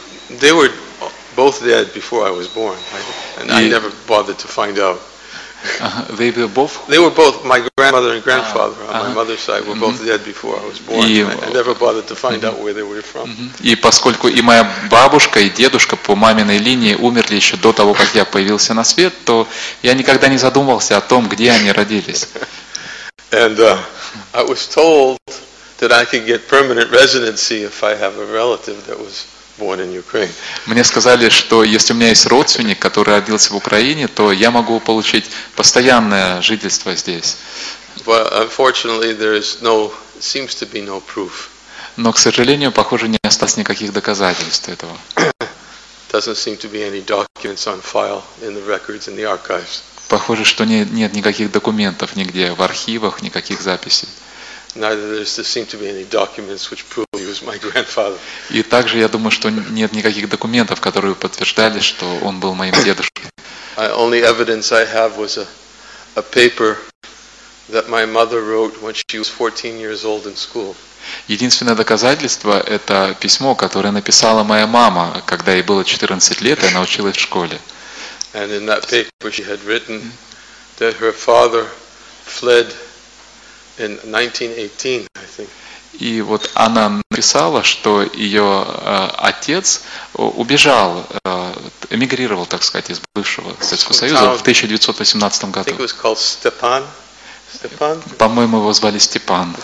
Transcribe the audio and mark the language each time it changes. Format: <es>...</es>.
<en>They were both dead before I was born, and I never bothered to find out. They were both my grandmother and grandfather on my mother's side were both dead before I was born. I never bothered to find out where they were from.</en> <ru>И поскольку и моя бабушка, и дедушка по маминой линии умерли еще до того, как я появился на свет, то я никогда не задумывался о том, где они родились.</ru> <en>And I was told that I could get permanent residency if I have a relative that was born in Ukraine.</en> <ru>Мне сказали, что если у меня есть родственник, который родился в Украине, то я могу получить постоянное жительство здесь.</ru> <en>But unfortunately, there is no, seems to be no proof.</en> <ru>Но, к сожалению, похоже, не осталось никаких доказательств этого.</ru> <en>Doesn't seem to be any documents on file in the records in the archives.</en> <ru>Похоже, что нет никаких документов нигде в архивах, никаких записей.</ru> <en>Neither does there seem to be any documents which prove he was my grandfather.</en> <ru>И также я думаю, что нет никаких документов, которые подтверждали, что он был моим дедушкой.</ru> <en>The only evidence I have was a paper that my mother wrote when she was 14 years old in school.</en> <ru>Единственное доказательство – это письмо, которое написала моя мама, когда ей было 14 лет, и она училась в школе.</ru> <en>And in that paper she had written that her father fled in 1918, I think.</en> <ru>И вот она написала, что ее отец убежал, эмигрировал, так сказать, из бывшего Советского Союза в 1918 году.</ru> <en>I think it was called Stepan. Степан?</en> <ru>По-моему, его звали Степан.</ru>